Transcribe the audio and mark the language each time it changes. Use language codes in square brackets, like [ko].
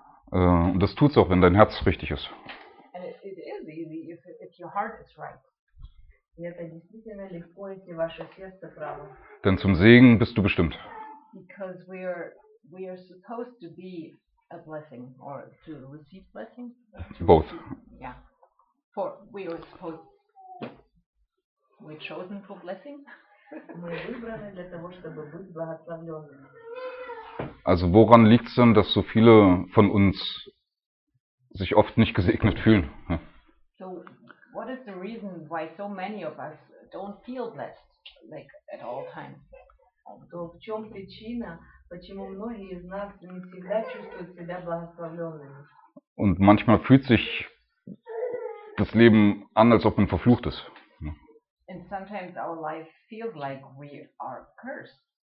[de] Das tut's auch, wenn dein Herz richtig ist. [en] It is easy if your heart is right. [ru] И это действительно легко, если ваше сердце право. [de] Denn zum Segen bist du bestimmt. [en] Because we are supposed to be a blessing or to receive blessing. Both. Yeah. For we are supposed. We chosen for blessing. [ru] Мы выбраны для того, чтобы быть благословленными. [de] Also woran liegt es denn, dass so viele von uns sich oft nicht gesegnet fühlen? [en] So, what is the reason why so many of us don't feel blessed, like at all times? [ru] То в чем причина, почему многие из нас не всегда чувствуют себя благословленными? [de] Und manchmal fühlt sich das Leben an, als ob man verflucht ist. [en] And sometimes our life feels like we are cursed.